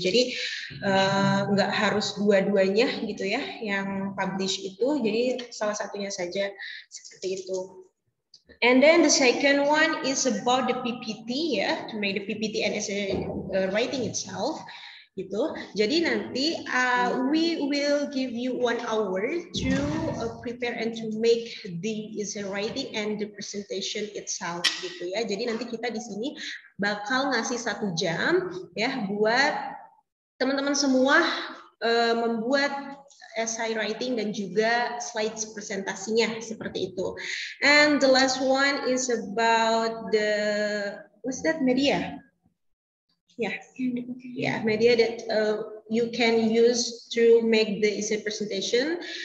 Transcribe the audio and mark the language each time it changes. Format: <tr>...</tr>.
<id>Jadi nggak harus dua-duanya gitu ya yang publish itu, jadi salah satunya saja seperti itu.</id> <en>And then the second one is about the PPT, yeah, to make the PPT and essay writing itself.</en> <id>gitu. Jadi nanti</id> <en>we will give you 1 hour to prepare and to make the essay writing and the presentation itself</en> <id>gitu ya. Jadi nanti kita di sini bakal ngasih 1 jam ya buat teman-teman semua membuat essay writing dan juga slides presentasinya seperti itu.</id> <en>And the last one is about the what's that media? Yeah, media that you can use to make the essay presentation.</en>